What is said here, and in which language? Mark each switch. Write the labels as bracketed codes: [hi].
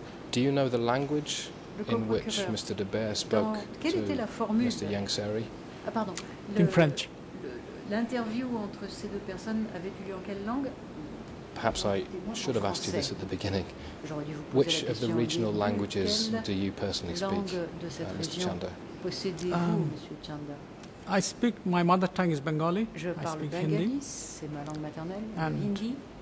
[en] Do you know the language in which Mr. De Beer spoke to Mr. Yang Sari? In French. [fr] L'interview entre ces deux personnes avait eu lieu en quelle langue? [en] Perhaps I should have asked you this at the beginning. Which of the regional languages do you personally speak, Mr. Chanda? [fr] Possédez-vous, Monsieur Chanda? [en] I speak, my mother tongue is Bengali. [fr] Je parle [en] I speak Bengali, Hindi. [fr] C'est ma langue maternelle. [en] And Hindi.